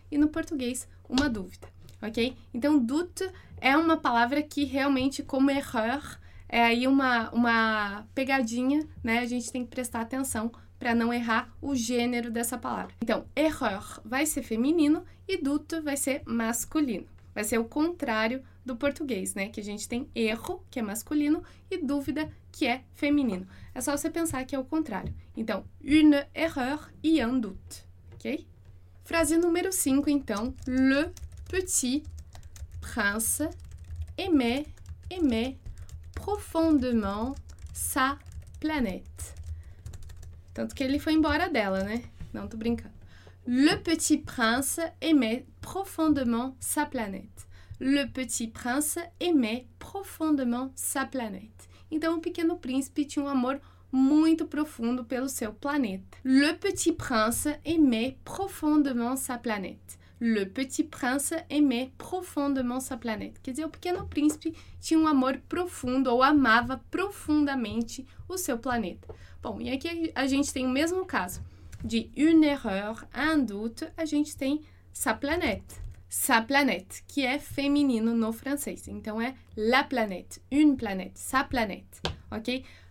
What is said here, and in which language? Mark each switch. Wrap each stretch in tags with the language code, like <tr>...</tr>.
<pt>E no português, uma dúvida. Ok? Então, doute é uma palavra que realmente, como erreur, é aí uma pegadinha, né? A gente tem que prestar atenção para não errar o gênero dessa palavra. Então, erreur vai ser feminino e doute vai ser masculino. Vai ser o contrário do português, né? Que a gente tem erro, que é masculino, e dúvida, que é feminino. É só você pensar que é o contrário. Então,</pt> <fr>une erreur et un doute. Ok?</fr> <pt>Frase número 5, então.</pt> <fr>Le Petit prince aimait profondément sa planète.</fr> <pt>Tanto que ele foi embora dela, né? Não, tô brincando.</pt> <fr>Le petit prince aimait profondément sa planète. Le petit prince aimait profondément sa planète.</fr> <pt>Então, o pequeno príncipe tinha um amor muito profundo pelo seu planeta.</pt> <fr>Le petit prince aimait profondément sa planète. Le petit prince aimait profondément sa planète.</fr> <pt>Quer dizer, o pequeno príncipe tinha um amor profundo ou amava profundamente o seu planeta. Bom, e aqui a gente tem o mesmo caso. de</pt> <fr>une erreur, un doute,</fr> <pt>a gente tem sa planète. Sa planète, que é feminino no francês. Então é</pt> <fr>la planète, une planète, sa planète.</fr> <pt>Ok?</pt>